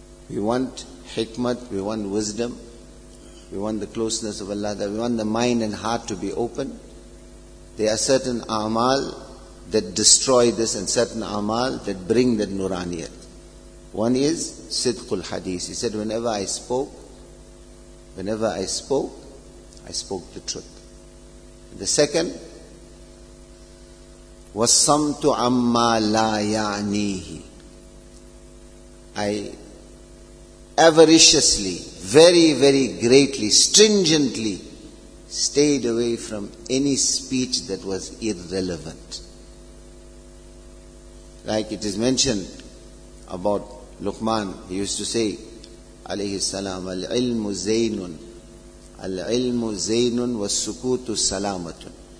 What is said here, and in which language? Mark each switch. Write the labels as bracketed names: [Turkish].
[English] We want hikmat, we want wisdom, we want the closeness of Allah, that we want the mind and heart to be open. There are certain a'mal that destroy this and certain amal that bring that nuraniyat. One is Sidqul Hadith. He said, whenever I spoke, I spoke the truth. The second, [Arabic] وَصَّمْتُ عَمَّا لَا يَعْنِيهِ. [English] I avariciously, very, very greatly, stringently stayed away from any speech that was irrelevant. Like it is mentioned about Luqman, he used to say, [Arabic] عَلَيْهِ السَّلَامَ الْعِلْمُ زَيْنٌ الْعِلْمُ زَيْنٌ وَالسُّكُوتُ سَلَامَةٌ.